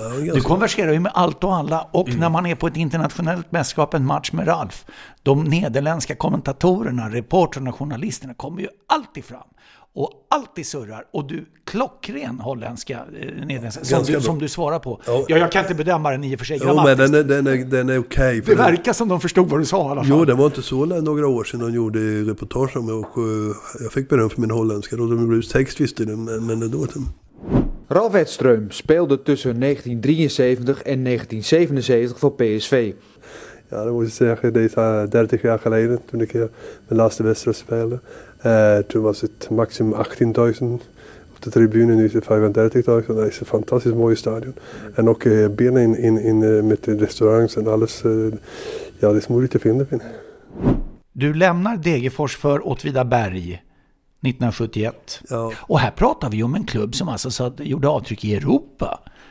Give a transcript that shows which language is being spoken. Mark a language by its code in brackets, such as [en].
[sv] Ja, du konverserar ju med allt och alla, och när man är på ett internationellt mästerskap, en match med Ralf, de nederländska kommentatorerna, reporterna, journalisterna kommer ju alltid fram och alltid surrar, och du klockren holländska som du svarar på. Ja, jag kan inte bedöma den i och för sig. Jo, men den är okej. Det verkar som de förstod vad du sa i alla fall. Jo, det var inte så några år sedan de gjorde reportage om mig, och jag fick beröm för min holländska, och de blev text, visste det, men det dåt. [nl] Ralf Edström speelde tussen 1973 en 1977 voor PSV. Ja, dat moet ik zeggen. Dit is 30 jaar geleden toen ik mijn laatste wedstrijd speelde. Toen was het maximum 18.000 op de tribune. Nu is het 35.000. Dat is een fantastisch mooi stadion. En ook binnen in met de restaurants en alles. Ja, dat is moeilijk te vinden. [sv] Du lämnar Degerfors för Åtvidaberg 1971. Ja. Och här pratar vi om en klubb som alltså gjorde avtryck i Europa.